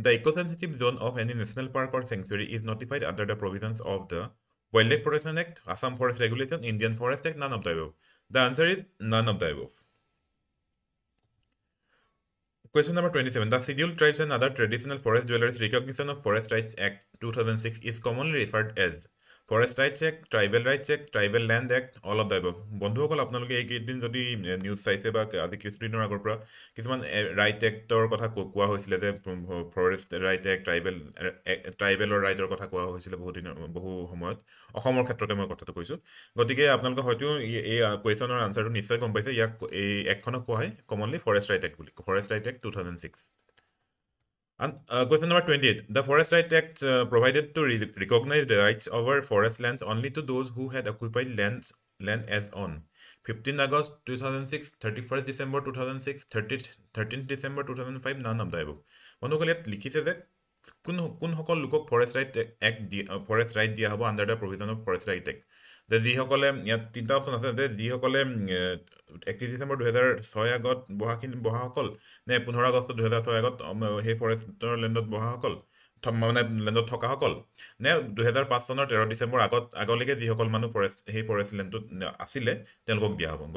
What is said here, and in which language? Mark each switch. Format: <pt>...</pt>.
<en>The eco-sensitive zone of any national park or sanctuary is notified under the provisions of the Wildlife Protection Act, Assam Forest Regulation, Indian Forest Act, none of the above. The answer is none of the above. Question number 27. The Scheduled Tribes and Other Traditional Forest Dwellers Recognition of Forest Rights Act 2006 is commonly referred as Forest Rights Act, Tribal Rights Act, Tribal Land Act, all of the above.</en> <as>বন্ধুসকল, আপোনালোকে এইকেইদিন যদি news চাইছে বা আজি কিছুদিনৰ আগৰ পৰা কিছুমান ৰাইট এক্টৰ কথা কোৱা হৈছিলে, যে ফৰেষ্ট ৰাইট এক্ট, ট্ৰাইবেলৰ ৰাইটৰ কথা কোৱা হৈছিলে বহু সময়ত, অসমৰ ক্ষেত্ৰতে মই কথাটো কৈছোঁ। গতিকে আপোনালোকে হয়তো এই কুৱেশ্যনৰ আনচাৰটো নিশ্চয় গম পাইছে, ইয়াক এই এক্টখনক কোৱা হয় কমনলি ফৰেষ্ট ৰাইট এক্ট বুলি, forest right act 2006।</as> <en>And question number 28, the Forest Rights Act provided to recognize the rights over forest lands only to those who had occupied land as on 15 August 2006, 31st December 2006, 13th December 2005, none of the above.</en> <as>বন্ধুসকল, ইয়াত লিখিছে যে কোনসকল লোকক forest right act forest right দিয়া হ'ব</as> <en>Under the provision of forest right act.</en> <as>যে যিসকলে, ইয়াত তিনিটা অপশ্যন আছে, যে যিসকলে 31 ডিচেম্বৰ 2006 আগত বহাসকল, নে 15 আগষ্ট 2006 আগত সেই ফৰেষ্টৰ লেণ্ডত বহাসকল, মানে লেণ্ডত থকাসকল, নে 2005 চনৰ 13 ডিচেম্বৰ আগত আগলৈকে যিসকল মানুহ ফৰেষ্ট লেণ্ডটোত আছিলে তেওঁলোকক দিয়া হ'ব।</as>